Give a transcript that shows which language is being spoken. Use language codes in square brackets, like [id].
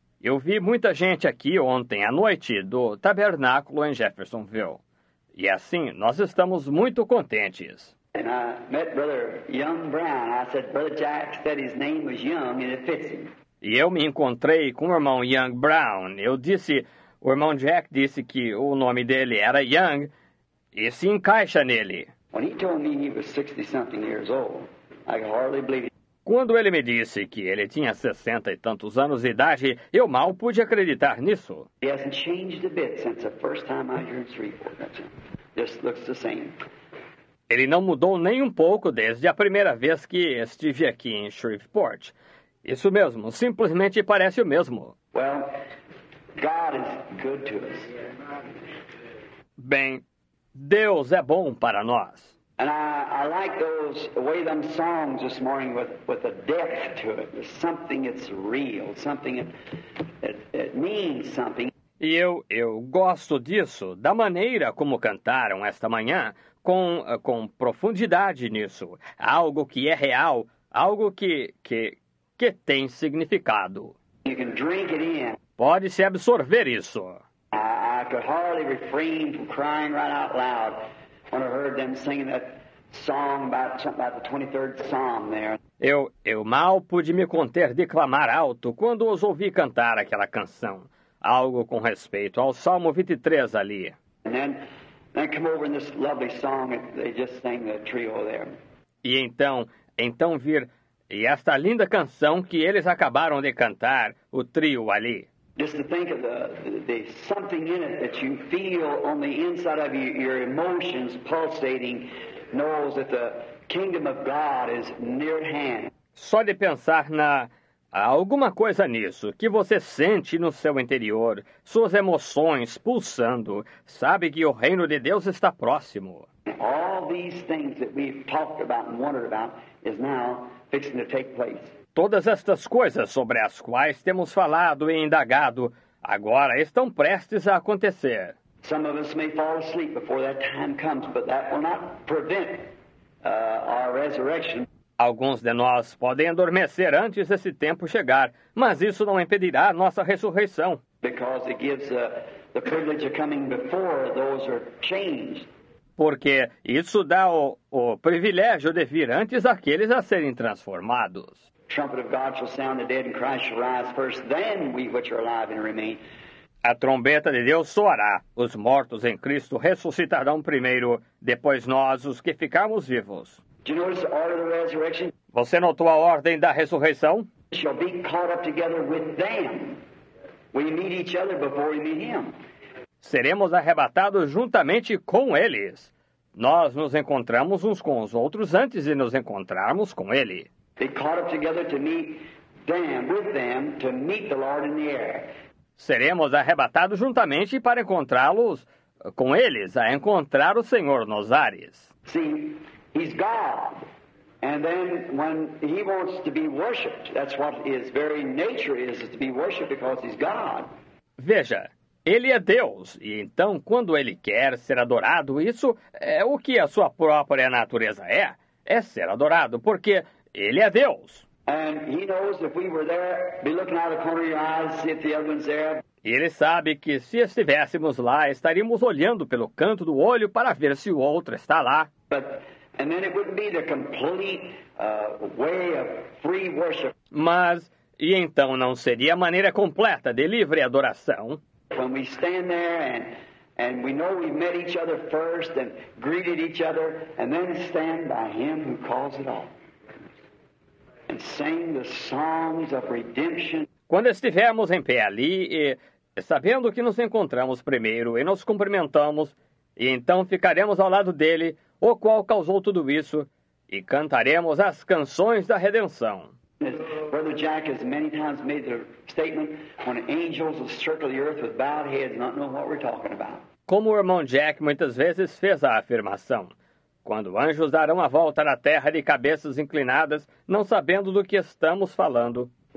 [pt] Eu vi muita gente aqui ontem à noite do Tabernáculo em Jeffersonville. E assim, nós estamos muito contentes. [en] And I met Brother Young Brown. I said, Brother Jack said his name was Young and it fits him. [pt] E eu me encontrei com o irmão Young Brown. Eu disse, o irmão Jack disse que o nome dele era Young. E se encaixa nele. [en] When he told me he was 60-something years old, I could hardly believe it. [pt] Quando ele me disse que ele tinha 60 e tantos anos de idade, eu mal pude acreditar nisso. [en] He hasn't changed a bit since the first time I heard Shreveport. Just looks the same. [pt] Ele não mudou nem um pouco desde a primeira vez que estive aqui em Shreveport. Isso mesmo, simplesmente parece o mesmo. [en] Well, God is good to us. [pt] Bem, Deus é bom para nós. [en] And I like those way them songs this morning with a depth to it, something that's real, something that means something. [pt] E eu gosto disso, da maneira como cantaram esta manhã, com profundidade nisso, algo que é real, algo que tem significado. [en] You can drink it in. [pt] Pode se absorver isso. [en] I could hardly refrain from crying right out loud when I heard them singing that song about something about the 23rd Psalm there. [pt] Eu mal pude me conter de clamar alto quando os ouvi cantar aquela canção, algo com respeito ao Salmo 23 ali. [en] And then come over in this lovely song that they just sang the trio there. [pt] E então vir e esta linda canção que eles acabaram de cantar, o trio ali. [en] Just to think of the something in it that you feel on the inside of you, your emotions pulsating, knows that the kingdom of God is near at hand. [pt] Só de pensar na alguma coisa nisso que você sente no seu interior, suas emoções pulsando, sabe que o reino de Deus está próximo. [en] All these things that we've talked about and wondered about is now fixing to take place. [pt] Todas estas coisas sobre as quais temos falado e indagado, agora estão prestes a acontecer. [en] Some of us may fall asleep before that time comes, but that will not prevent our resurrection. [pt] Alguns de nós podem adormecer antes desse tempo chegar, mas isso não impedirá a nossa ressurreição. [en] Because it gives the privilege of coming before those are changed. [pt] Porque isso dá o privilégio de vir antes daqueles a serem transformados. [en] The trumpet of God shall sound, the dead in Christ shall rise first, then we which are alive and remain. [pt] A trombeta de Deus soará, os mortos em Cristo ressuscitarão primeiro, depois nós, os que ficarmos vivos. [en] Do you notice the order of the resurrection? [pt] Você notou a ordem da ressurreição? [en] Shall be caught up together with them. We meet each other before we meet him. [pt] Seremos arrebatados juntamente com eles. Nós nos encontramos uns com os outros antes de nos encontrarmos com ele. [en] They caught up together to meet them, with them, to meet the Lord in the air. [pt] Seremos arrebatados juntamente para encontrá-los com eles, a encontrar o Senhor nos ares. [en] See, he's God. And then when he wants to be worshipped, that's what his very nature is, to be worshipped because he's God. [pt] Veja, ele é Deus, e então quando ele quer ser adorado, isso é o que a sua própria natureza é ser adorado, porque ele é Deus. [en] And he knows if we were there, be looking out of the corner of your eyes, see if the other one's there. [pt] E ele sabe que se estivéssemos lá, estaríamos olhando pelo canto do olho para ver se o outro está lá. [en] But, and then it wouldn't be the complete way of free worship. [pt] Mas, e então não seria a maneira completa de livre adoração? [en] When we stand there and we know we've met each other first and greeted each other and then stand by him who calls it all. And sing the songs of redemption. [pt] Quando estivermos em pé ali, e sabendo que nos encontramos primeiro e nos cumprimentamos, e então ficaremos ao lado dele, o qual causou tudo isso, e cantaremos as canções da redenção. [en] Brother Jack has many times made the statement when angels will circle the earth with bowed heads, not knowing what we're talking about. [pt] Como o irmão Jack muitas vezes fez a afirmação. Quando anjos darão a volta na terra de cabeças inclinadas, não sabendo do que estamos falando.